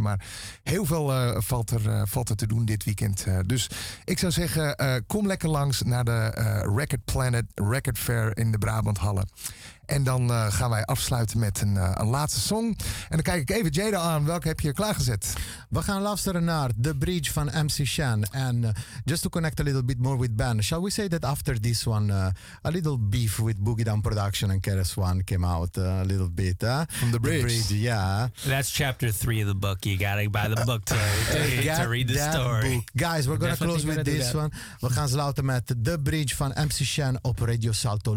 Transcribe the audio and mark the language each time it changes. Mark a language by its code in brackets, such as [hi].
[nl] Maar heel veel valt er te doen dit weekend. Dus ik zou zeggen, kom lekker langs naar de Record Planet Record Fair in de Brabant Hallen. En dan gaan wij afsluiten met een laatste song. En dan kijk ik even Jada aan. Welke heb je klaargezet? We gaan luisteren naar The Bridge van MC Shan. [en] And just to connect a little bit more with Ben, shall we say that after this one, a little beef with Boogie Down Production and Keras One came out a little bit. From The Bridge. That's chapter 3 of the book. You gotta buy the book to read the story. Book. Guys, we're gonna close with this one. [nl] We gaan sluiten met The Bridge van MC Shan op Radio Salto.